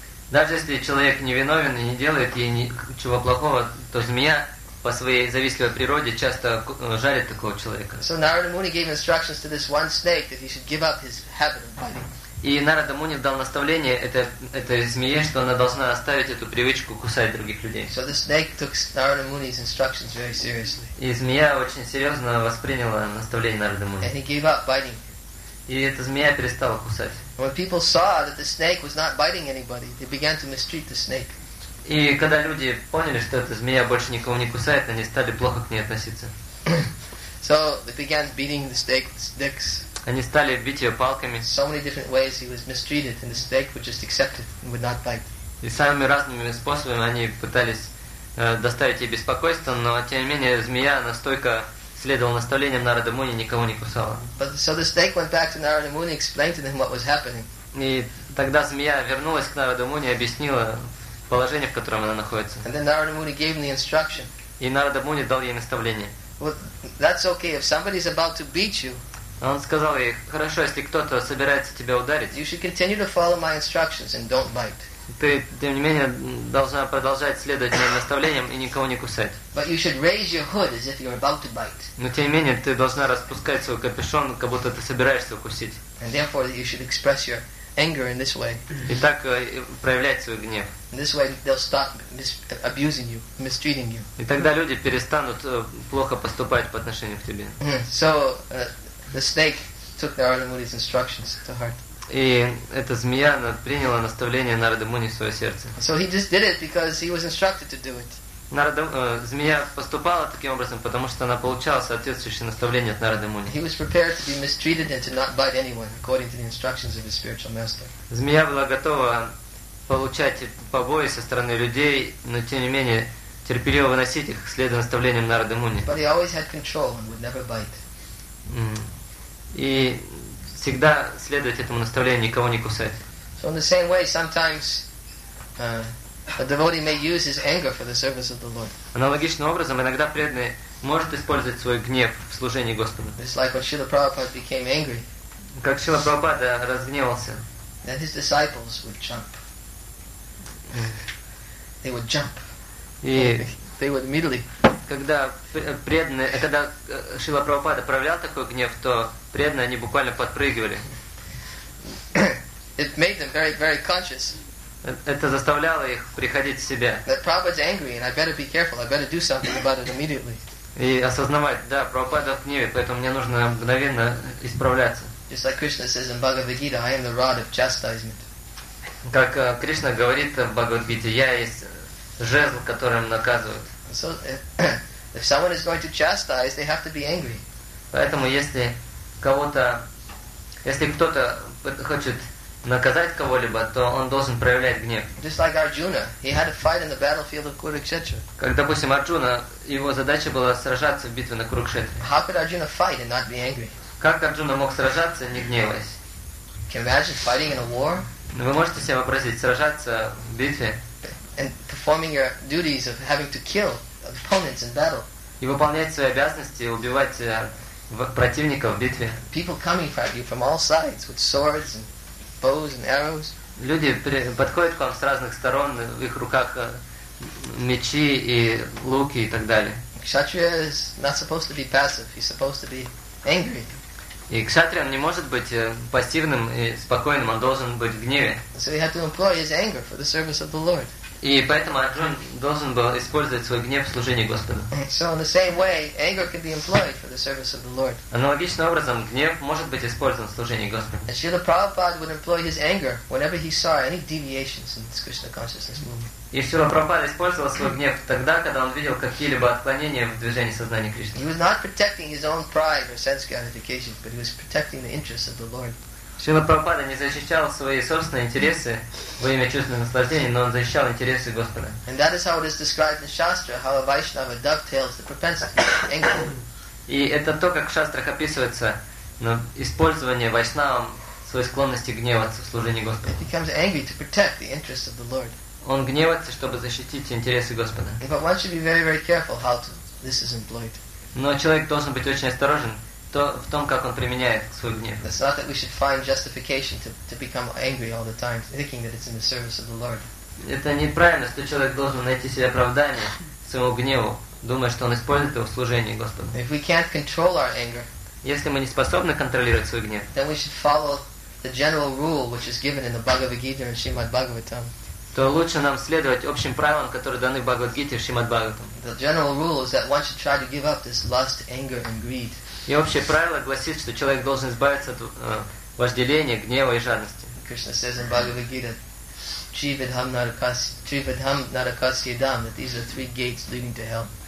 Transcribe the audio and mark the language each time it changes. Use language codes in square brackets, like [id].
[ru] Даже если человек невиновен и не делает ей ничего плохого, то змея по своей завистливой природе часто жарит такого человека. [en] So Narada Muni gave instructions to this one snake that he should give up his habit of biting. [ru] И Нарада Муни дал наставление этой змее, что она должна оставить эту привычку кусать других людей. [en] So the snake took Narada Muni's instructions very seriously. [ru] И змея очень серьезно восприняла наставление Нарада Муни. [en] And he gave up biting. [ru] И эта змея перестала кусать. [en] When people saw that the snake was not biting anybody, they began to mistreat the snake. [ru] И когда люди поняли, что эта змея больше никого не кусает, они стали плохо к ней относиться. [en] So they began beating the snake with sticks. [ru] Они стали бить ее палками. [en] So many different ways he was mistreated, and the snake would just accept it and would not bite. [ru] И самыми разными способами они пытались доставить ей беспокойство, но тем не менее змея настолько следовал наставлениям Нарада Муни, никого не кусала. [en] So the snake went back to Narada Muni, explained to them what was happening. [ru] И тогда змея вернулась к Нараду Муни и объяснила положение, в котором она находится. [en] And then Narada Muni gave him the instruction. [ru] И Нарада Муни дал ей наставление. [en] Well, that's okay if somebody's about to beat you. [ru] Он сказал ей: хорошо, если кто-то собирается тебя ударить. [en] You should continue to follow my instructions and don't bite. [ru] Ты, тем не менее, должна продолжать следовать моим наставлениям и никого не кусать. [en] But you should raise your hood as if you're about to bite. [ru] Но тем не менее, ты должна распускать свой капюшон, как будто ты собираешься укусить. [en] And therefore, you should express your anger in this way. [ru] И так проявлять свой гнев. [en] In this way, they'll stop abusing you, mistreating you. [ru] И тогда люди перестанут плохо поступать по отношению к тебе. [en] So, the snake took the Narada Muni's instructions to heart. [ru] И эта змея, она приняла наставление Нарады Муни в свое сердце. [en] So he just did it because he was instructed to do it. [ru] Змея поступала таким образом, потому что она получала соответствующее наставление от Нарады Муни. [en] He was prepared to be mistreated and to not bite anyone according to the instructions of his spiritual master. [ru] Змея была готова получать побои со стороны людей, но тем не менее терпеливо выносить их, следуя наставлениям Нарады Муни. [en] But he always had control and would never bite. [ru] И всегда следовать этому наставлению, никого не кусать. [en] So in the same way, sometimes a devotee may use his anger for the service of the Lord. [ru] Аналогичным образом, иногда преданный может использовать свой гнев в служении Господу. [en] It's like when Srila Prabhupada became angry. [ru] Как Шрила Прабхупада разгневался. [en] Then his disciples would jump. They would jump. They would immediately. [ru] Когда преданный, когда Шрила Прабхупада проявлял такой гнев, то преданные, они буквально подпрыгивали. [en] It made them very, very conscious. [ru] Это заставляло их приходить в себя. [en] That Prabhupada's angry, and I better be careful. I better do something about it immediately. [ru] И осознавать, да, Прабхупада в гневе, поэтому мне нужно мгновенно исправляться. [en] Just like Krishna says in Bhagavad Gita, I am the rod of chastisement. [ru] Как Кришна говорит в Бхагавад Гите, я есть жезл, которым наказывают. [en] So if someone is going to chastise, they have to be angry. [ru] Поэтому если кого-то, если кто-то хочет наказать кого-либо, то он должен проявлять гнев. [en] Just like Arjuna, he had a fight in the battlefield of Kurukshetra. [ru] Как, допустим, Арджуна, его задача была сражаться в битве на Курукшетре. [en] How could Arjuna fight and not be angry? [ru] Как Арджуна мог сражаться, не гневаясь? [en] Can you imagine fighting in a war? [ru] Вы можете себе вообразить сражаться в битве? [en] And performing your duties of having to kill opponents in battle. [ru] И выполнять свои обязанности и убивать противников в битве. [en] People coming at you from all sides with swords and bows and arrows. [ru] Люди подходят к вам с разных сторон, в их руках мечи и луки и так далее. [en] Kshatriya is not supposed to be passive. He's supposed to be angry. [ru] И кшатриан не может быть пассивным и спокойным, он должен быть в гневе. [en] So he had to employ his anger for the service of the Lord. [ru] И поэтому Арджун должен был использовать свой гнев в служении Господу. [en] So in the same way, anger can be employed for the service of the Lord. [ru] Аналогичным образом, гнев может быть использован в служении Господу. [en] And Srila Prabhupada would employ his anger whenever he saw any deviations in this Krishna consciousness movement. [ru] И Шрила Прабхупада использовал свой гнев тогда, когда он видел какие-либо отклонения в движении сознания Кришны. [en] He was not protecting his own pride or sense gratification, but he was protecting the interests of the Lord. [ru] Шрила Прабхупада не защищал свои собственные интересы во имя чувственного наслаждения, но он защищал интересы Господа. [en] And that is how it is described in Shastra, how a Vaishnava dovetails the propensity of anger. [ru] И это то, как в шастрах описывается, но использование вайшнавам своей склонности гневаться в служении Господу. [en] He becomes angry to protect the interests of the Lord. [ru] Он гневается, чтобы защитить интересы Господа. [en] But one should be very, very careful how this is employed. [ru] Но человек должен быть очень осторожен в том, как он применяет свой гнев. [en] It's not that we should find justification to become angry all the time, thinking that it's in the service of the Lord. [ru] Это неправильно, что человек должен найти себе оправдание своему гневу, думая, что он использует его в служении Господу. [en] If we can't control our anger, [ru] если мы не способны контролировать свой гнев, [en] then we should follow the general rule which is given in the Bhagavad Gita and Srimad Bhagavatam. [ru] То лучше нам следовать общим правилам, которые даны в Бхагавад-гите и Шримад-Бхагаватам. [en] The general rule is that one should try to give up this lust, anger, and greed. [ru] И общее правило гласит, что человек должен избавиться от вожделения, гнева и жадности. [en] Krishna says in Bhagavad-gita, Trividham Narakasyadam, that these are three gates leading to hell.